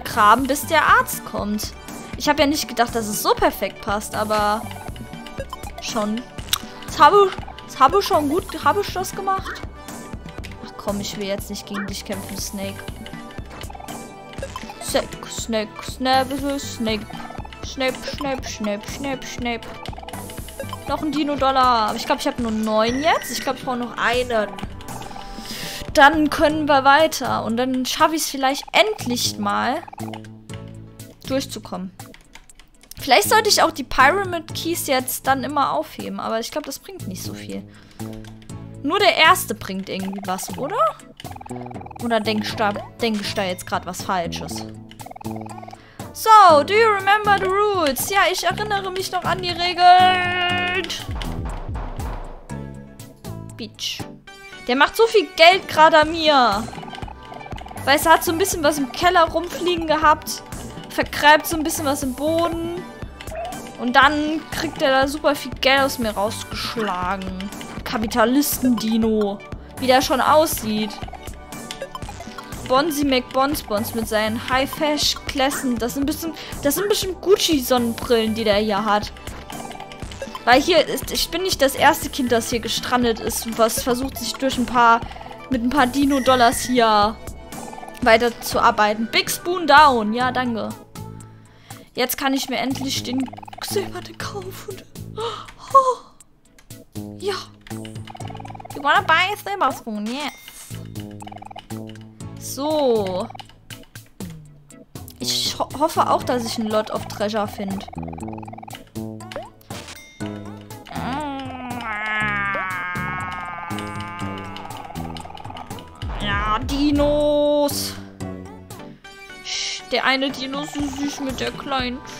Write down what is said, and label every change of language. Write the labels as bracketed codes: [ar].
[de] Graben, bis der Arzt kommt. Ich habe ja nicht gedacht, dass es so perfekt passt, aber... schon. Habe ich das gemacht? Komm, ich will jetzt nicht gegen dich kämpfen, Snake. Snake, Snake, Snape, Snape. Snape, Snape, Snape, Snape, Snape. Noch ein Dino-Dollar. Aber ich glaube, ich habe nur 9 jetzt. Ich glaube, ich brauche noch einen. Dann können wir weiter. Und dann schaffe ich es vielleicht endlich mal, durchzukommen. Vielleicht sollte ich auch die Pyramid Keys jetzt dann immer aufheben. Aber ich glaube, das bringt nicht so viel. Nur der erste bringt irgendwie was, oder? Oder denkst du da jetzt gerade was Falsches? [en] So, do you remember the rules? [de] Ja, ich erinnere mich noch an die Regeln. Bitch. Der macht so viel Geld gerade an mir. Weißt du, hat so ein bisschen was im Keller rumfliegen gehabt. Vergräbt so ein bisschen was im Boden. Und dann kriegt er da super viel Geld aus mir rausgeschlagen. Kapitalisten-Dino. Wie der schon aussieht. Bonzi McBonsbons mit seinen High-Fash-Klassen. Das sind bestimmt Gucci-Sonnenbrillen, die der hier hat. Weil hier ist... Ich bin nicht das erste Kind, das hier gestrandet ist. Was versucht sich durch ein paar... mit ein paar Dino-Dollars hier... weiterzuarbeiten. [en] Big Spoon down. [de] Ja, danke. Jetzt kann ich mir endlich den... Silberne kaufen. Oh. Ja. [en] You wanna buy a silver spoon? Yes. So. [de] Ich hoffe auch, dass ich ein [en] Lot of Treasure [de] finde. Ja, Dinos. Der eine Dino ist so süß mit der kleinen...